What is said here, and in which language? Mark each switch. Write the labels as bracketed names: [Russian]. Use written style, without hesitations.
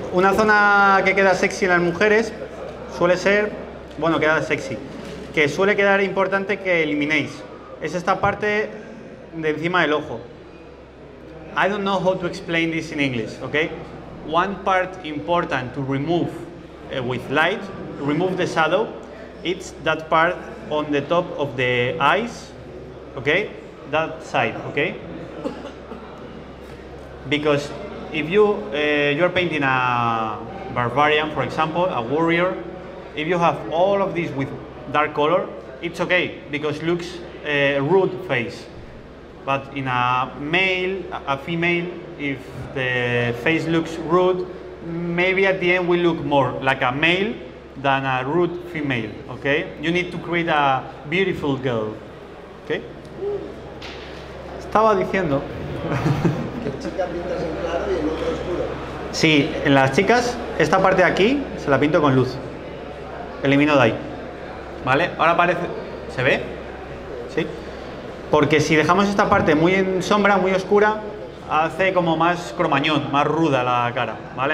[Spanish] Una zona que queda sexy en las mujeres suele ser, bueno, queda sexy, que suele quedar importante que eliminéis. Es esta parte de encima del ojo. [English] I don't know how to explain this in English, okay? One part important to remove with light, remove the shadow, it's that part on the top of the eyes, okay? That side, okay? Because if you're painting a barbarian, for example, a warrior, if you have all of this with dark color, it's okay, because it looks a rude face. But in a male, a female, if the face looks rude, maybe at the end we look more like a male than a rude female, okay? You need to create a beautiful girl, okay? [Spanish] estaba diciendo. Que chicas pintas en claro y en otro oscuro. Sí, en las chicas, esta parte de aquí se la pinto con luz. Elimino de ahí. ¿Vale? Ahora parece. ¿Se ve? Sí. Porque si dejamos esta parte muy en sombra, muy oscura, hace como más cromañón, más ruda la cara. ¿Vale?